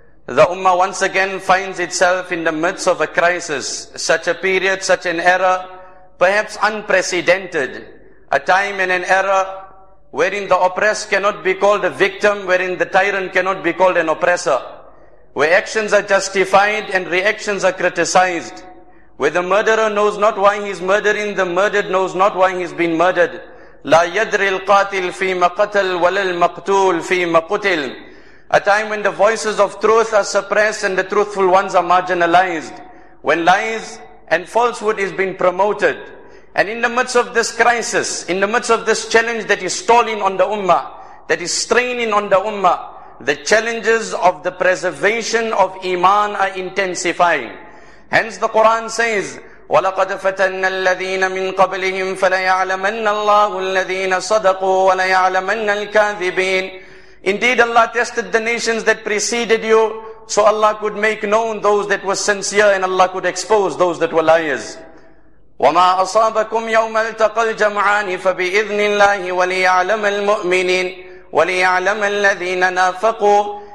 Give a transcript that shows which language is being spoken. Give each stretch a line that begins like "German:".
English: the Ummah once again finds itself in the midst of a crisis, such a period, such an era, perhaps unprecedented, a time and an era wherein the oppressed cannot be called a victim, wherein the tyrant cannot be called an oppressor, where actions are justified and reactions are criticized, where the murderer knows not why he is murdering, the murdered knows not why he has been murdered.
Arabic: لا يدري القاتل فيما قتل ولا المقتول فيما قتل.
English: A time when the voices of truth are suppressed and the truthful ones are marginalized, when lies and falsehood is being promoted. And in the midst of this crisis, in the midst of this challenge that is stalling on the ummah, that is straining on the ummah, the challenges of the preservation of iman are intensifying. Hence the Quran says,
Arabic: وَلَقَدْ فَتَنَّ الَّذِينَ مِنْ قَبْلِهِمْ فَلَيَعْلَمَنَّ اللَّهُ الَّذِينَ صَدَقُوا وَلَيَعْلَمَنَّ الْكَاذِبِينَ.
English: Indeed, Allah tested the nations that preceded you, so Allah could make known those that were sincere, and Allah could expose those that were liars.
Arabic: وَمَا أَصَابَكُمْ يَوْمَ الْتَقَى الْجَمْعَانِ فَبِإِذْنِ اللَّهِ وَلِيَعْلَمَ الْمُؤْمِنِينَ وَلِيَعْلَمَ الَّذِينَ نَافَقُوا.